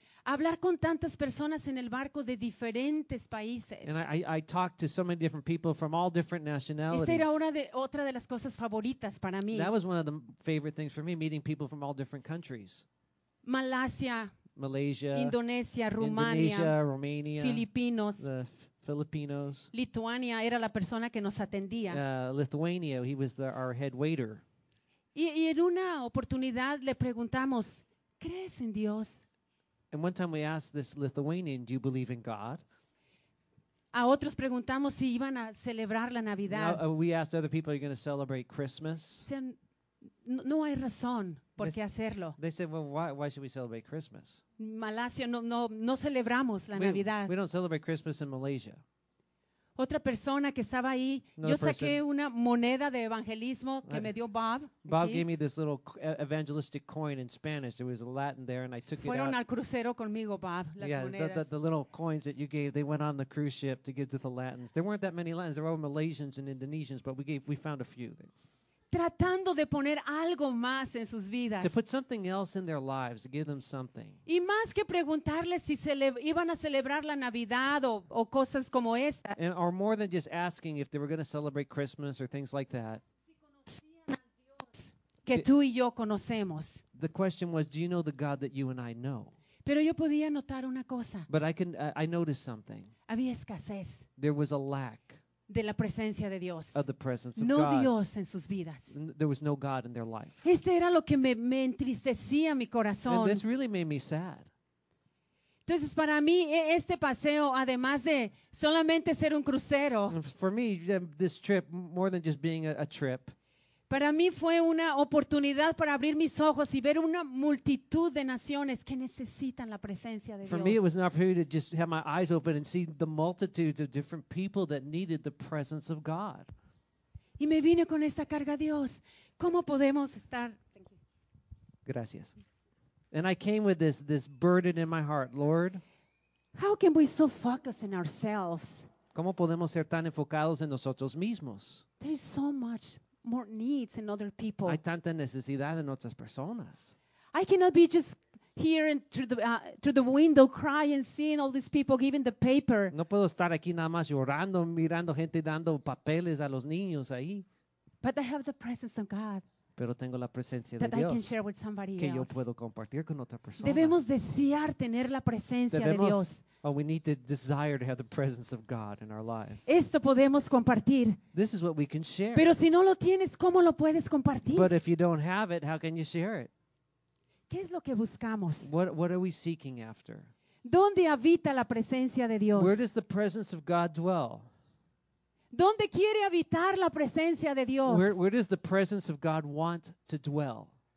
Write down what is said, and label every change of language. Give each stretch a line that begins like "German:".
Spanish: Hablar con tantas personas en el barco de diferentes países.
English: And I talked to so many different people from all different nationalities.
Spanish: Esta era otra de las cosas favoritas para mí.
English: That was one of the favorite things for me, meeting people from all different countries.
Spanish: Malasia, Indonesia, Rumania,
English: Romania,
Spanish: Filipinos,
English: Filipinos.
Spanish: Lituania era la persona que nos atendía.
English: Lithuania, he was our head waiter.
Spanish: Y en una oportunidad le preguntamos, ¿crees en Dios?
English: And one time we asked this Lithuanian, do you believe in God?
Spanish: A otros preguntamos si iban a celebrar la Navidad.
English: Now, we asked other people, are you going to celebrate Christmas?
Spanish: No hay razón por qué hacerlo.
English: They said, well, why should we celebrate Christmas?
Spanish: Malasia, no celebramos la Navidad.
English: We don't celebrate Christmas in Malaysia.
Spanish: Otra persona que estaba ahí, yo saqué una moneda de evangelismo que me dio Bob.
English: Bob gave me this little evangelistic coin in Spanish. There was a Latin there and I took it out.
Spanish: Fueron al crucero conmigo, Bob, las monedas.
English: Yeah, the little coins that you gave, they went on the cruise ship to give to the Latins. There weren't that many Latins. There were Malaysians and Indonesians, but we found a few.
Spanish: Tratando de poner algo más en sus vidas.
English: To put something else in their lives, give them something.
Spanish: Y más que preguntarles si iban a celebrar la Navidad o cosas como esa.
English: And, or more than just asking if they were going to celebrate Christmas or things like that.
Spanish: Que tú y yo conocemos.
English: The question was, do you know the God that you and I know?
Spanish: Pero yo podía notar una cosa.
English: But I noticed something.
Spanish: Había escasez.
English: There was a lack.
Spanish: De la presencia de Dios.
English: Of the presence of
Spanish: no
English: God.
Spanish: Dios en sus vidas.
English: There was no God in their life.
Spanish: Este era lo que me entristecía mi corazón.
English: And this really made me sad.
Spanish: Entonces para mí este paseo, además de solamente ser un crucero.
English: For me, this trip, more than just being a trip.
Spanish: Para mí fue una oportunidad para abrir mis ojos y ver una multitud de naciones que necesitan la presencia de Dios.
English: For me, it was an opportunity to just have my eyes open and see the multitudes of different people that needed the presence of God.
Spanish: Y me vine con esta carga, Dios. ¿Cómo podemos estar?
English: Thank you.
Spanish: Gracias.
English: And I came with this burden in my heart, Lord. How can we so focus in ourselves?
Spanish: ¿Cómo podemos ser tan enfocados en nosotros mismos?
English: There is so much more needs in other people.
Spanish: Hay tanta necesidad en otras personas.
English: I cannot be just here and through the window crying, seeing all these people giving the paper.
Spanish: No puedo estar aquí nada más llorando, mirando gente dando papeles a los niños ahí.
English: But I have the presence of God.
Spanish: Pero tengo la presencia
English: that
Spanish: de Dios
English: I can share with somebody
Spanish: que
English: else.
Spanish: Yo puedo compartir con otra persona. Debemos desear tener la presencia Debemos, de Dios.
English: Oh, we need to desire to have the presence of God in our lives.
Spanish: Esto podemos compartir.
English: This is what we can share.
Spanish: Pero si no lo tienes, ¿cómo lo puedes compartir?
English: But if you don't have it, how can you share it?
Spanish: ¿Qué es lo que buscamos?
English: What are we seeking after?
Spanish: ¿Dónde habita la presencia de Dios?
English: Where does the presence of God dwell?
Spanish: ¿Dónde quiere habitar la presencia de Dios?
English: Where does the presence of God want to dwell?